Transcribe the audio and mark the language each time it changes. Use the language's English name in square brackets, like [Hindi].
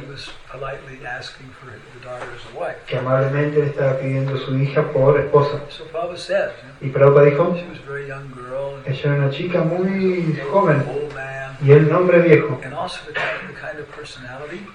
[English] He was politely asking for the daughter as a wife. [Spanish] Que amablemente le estaba pidiendo su hija por esposa. [English] So Prabhupada said, [Spanish] y Prabhupada dijo, [English] she was a very young girl. [Spanish] Ella era una chica muy joven. [English] Old man. [Spanish] Y el nombre viejo. [English] And also the kind of personality.